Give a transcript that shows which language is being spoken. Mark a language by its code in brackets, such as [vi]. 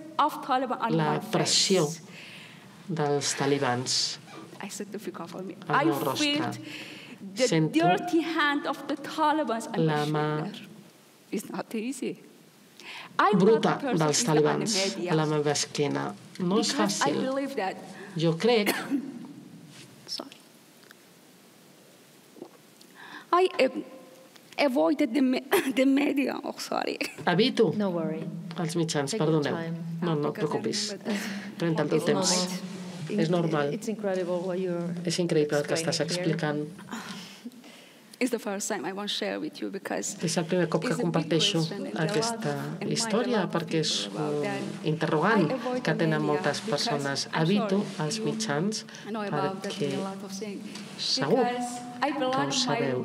[en] of Taliban on [ca] la pressió dels talibans. [en] I said to Fika for me. I feel the dirty hand of the Taliban on my shoulder. It's not easy. [ca] Bruta dels talibans a la meva esquena. No és fàcil. Jo crec... [en] I avoided the media. Oh, sorry. [ca] Evito. [en] No worry. [ca] Els mitjans, perdoneu. No, no et preocupis. Pren tant el temps. És normal. [en] It's incredible what you're [ca] és increïble el que estàs explicant. [en] It's the first time I want to share with you because [ca] és el primer cop que comparteixo aquesta història perquè és un interrogant que tenen moltes persones. Evito els mitjans perquè segur que ho sabeu.